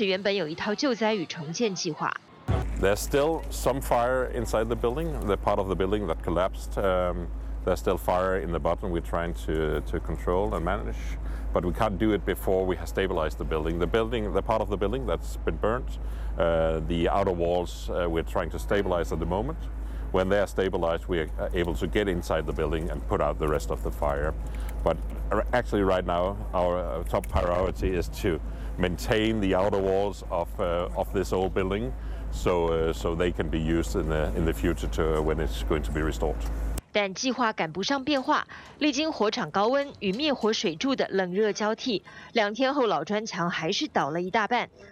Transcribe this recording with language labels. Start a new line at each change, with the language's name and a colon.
Chinese: 4月16日火灾后，原本哥本哈根市府期望能将火劫余生的古老砖造外墙保留下来，还搬来货柜当固定锚，希望用重量拉住鹰架结构以稳住砖墙。当时原本有一套救灾与重建计划。
English: There's still some fire inside the building, the part of the building that collapsed. There's still fire in the bottom. We're trying to control and manage. But we can't do it before we have stabilized the building. The building, the part of the building that's been burnt, the outer walls, we're trying to stabilize at the moment. When they are stabilized, we are able to get inside the building and put out the rest of the fire. But actually right now, our top priority is to maintain the outer walls of this old building, so they can be used in the future to when it's going to be restored.
Chinese: 但计划赶不上变化，历经火场高温与灭火水柱的冷热交替，两天后老砖墙还是倒了一大半。